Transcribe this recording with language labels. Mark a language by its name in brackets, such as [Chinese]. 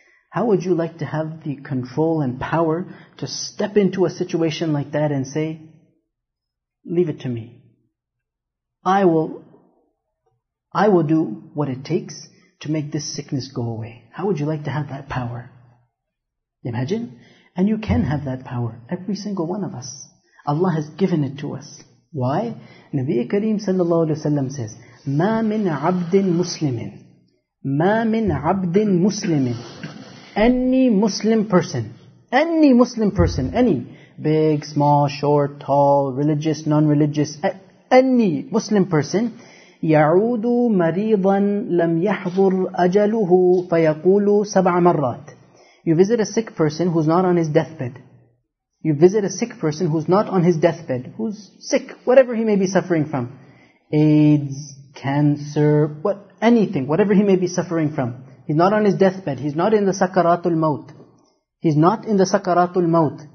[English] How would you like to have the control and power to step into a situation like that and say, leave it to me. I will do what it takes to make this sickness go away. How would you like to have that power? Imagine. And you can have that power. Every single one of us. Allah has given it to us. Why? Nabi Kareem sallallahu alayhi wa sallam says, [Arabic] مَا مِنْ عَبْدٍ مُسْلِمٍ [English] مَا مِنْ عَبْدٍ مُسْلِمٍ. Any Muslim person. Any Muslim person. Any. Big, small, short, tall, religious, non-religious. Any Muslim person. [Arabic] يَعُودُ مَرِيضًا لَمْ يَحْضُرْ أَجَلُهُ فَيَقُولُ سَبْعَ مَرَّاتٍ. [English] You visit a sick person who's not on his deathbed. You visit a sick person who's not on his deathbed, who's sick, whatever he may be suffering from. AIDS, cancer, anything, whatever he may be suffering from. He's not on his deathbed. He's not in the Sakaratul Maut. He's not in the Sakaratul Maut.